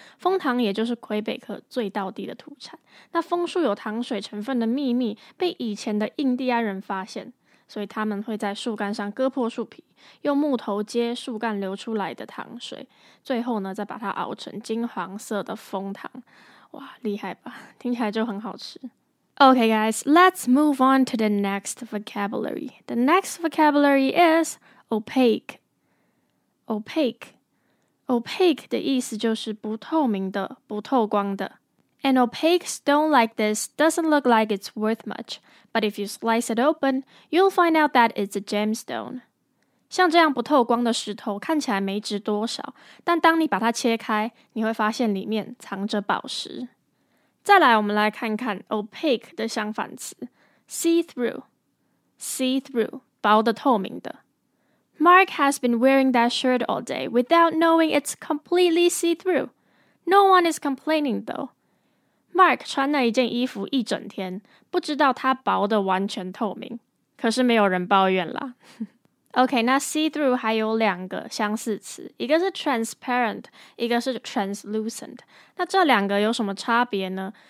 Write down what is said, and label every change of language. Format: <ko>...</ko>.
<zh>枫糖也就是魁北克最道地的土产。那枫树有糖水成分的秘密被以前的印第安人发现，所以他们会在树干上割破树皮，用木头接树干流出来的糖水，最后呢再把它熬成金黄色的枫糖。哇，厉害吧，听起来就很好吃。</zh> <en>Okay, guys, let's move on to the next vocabulary. The next vocabulary is opaque. Opaque.</en> <zh>Opaque 的意思就是不透明的，不透光的。</zh> <en>An opaque stone like this doesn't look like it's worth much, but if you slice it open, you'll find out that it's a gemstone.</en> <zh>像这样不透光的石头看起来没值多少，但当你把它切开，你会发现里面藏着宝石。再来，我们来看看 opaque 的相反词 see-through. See-through, 薄的透明的。</zh> <en>Mark has been wearing that shirt all day without knowing it's completely see-through. No one is complaining, though.</en> <zh>Mark 穿那一件衣服一整天，不知道它薄的完全透明，可是没有人抱怨啦。 OK, 那 see-through 还有两个相似词，一个是 transparent, 一个是 translucent。那这两个有什么差别呢？</zh>